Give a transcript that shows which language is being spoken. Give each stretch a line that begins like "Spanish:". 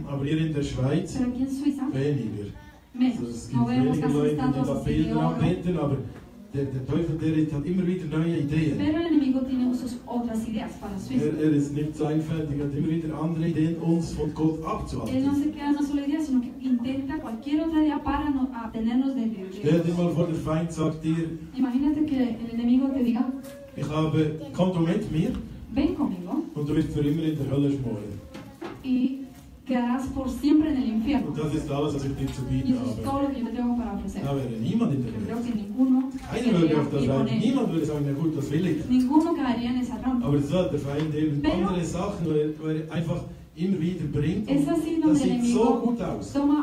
German: Aber hier in der Schweiz.
Spanish: Pero aquí en Suiza.
German: Weniger.
Spanish: Menos.
German: Es gibt wenige Leute, die Bilder anbeten, aber der Teufel, der hat immer wieder neue Ideen.
Spanish: Pero el enemigo tiene sus otras ideas para su vida.
German: Er ist nicht so einfältig, hat immer wieder andere Ideen, uns von Gott abzuhalten.
Spanish: Él no se queda en una sola idea, sino que intenta cualquier otra idea para no, a tenernos de Dios.
German: Stell dir mal vor, der Feind sagt dir,
Spanish: imagínate que el enemigo te diga,
German: ich habe, komm du mit mir,
Spanish: ven conmigo,
German: und du wirst für immer in der Hölle schmoren.
Spanish: Y quedarás por siempre en el infierno.
German: Und das ist alles, was ich dir zu bieten habe.
Spanish: Y eso es todo lo que yo tengo para ofrecer.
German: Da wäre niemand in der Welt. Keiner würde auf das rein. Niemand würde sagen, na gut, das will ich. Aber so hat der Feind eben andere Sachen, wo er einfach immer wieder bringt.
Spanish: Así,
German: das sieht so gut aus.